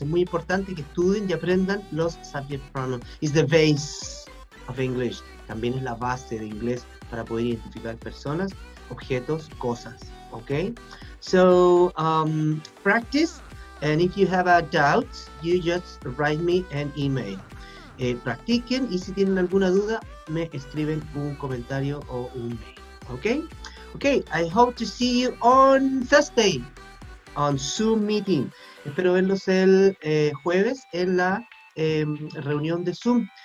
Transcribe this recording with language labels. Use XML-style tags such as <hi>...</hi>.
<es>Es muy importante que estudien y aprendan los subject pronouns.</es> <en>It's the base of English.</en> <es>También es la base de inglés para poder identificar personas, objetos, cosas.</es> <en>Okay? So, practice. And if you have a doubt, you just write me an email.</en> <es>Practiquen y si tienen alguna duda, me escriben un comentario o un mail. Okay?</es> <en>Okay, I hope to see you on Thursday on Zoom meeting.</en> <es>Espero verlos el jueves en la reunión de Zoom.</es>